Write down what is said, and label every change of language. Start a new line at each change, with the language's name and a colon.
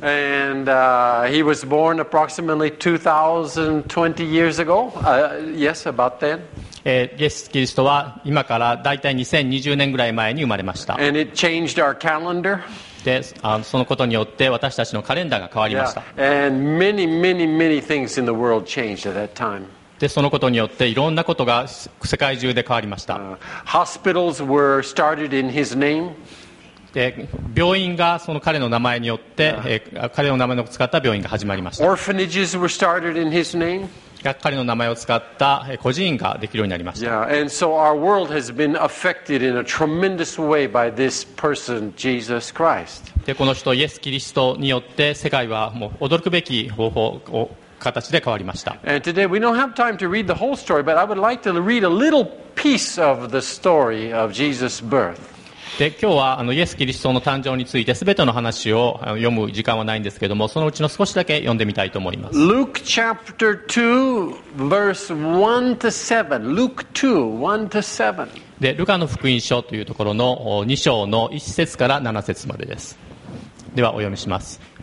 English: And he was born approximately 2,020 years ago. Yes, about then.
Japanese: イエス・キリストは今からだいたい2020年ぐらい前に生まれました。
English: And it changed our calendar.
Japanese: でそのことによって私たちのカレンダーが変わりました。 Yeah.
English: And many, many, many things in the world changed at that time.
Japanese: でそのことによっていろんなことが世界中で変わりました。
English: Hospitals were started in his name.
Japanese: で病院がその彼の名前によって、Yeah. 彼の名前を使った病院が始まりました。
English: Orphanages were started in his name.
Japanese: 彼の名前を使った個人ができるようになりました。
English: Yeah, and so our world has been affected in a tremendous way by this person, Jesus Christ.
Japanese: で、この人イエス・キリストによって世界はもう驚くべき方法を形で変わりました。
English: And today we don't have time to read the whole story, but I would like to read a little piece of the story of Jesus' birth.
Japanese: で今日はイエス・キリストの誕生についてすべての話を読む時間はないんですけども、そのうちの少しだけ読んでみたいと思います。
English: Luke chapter 2 verse 1 to 7 Luke 2 1 to 7
Japanese: でルカの福音書というところの2章の1節から7節までです。ではお読みします。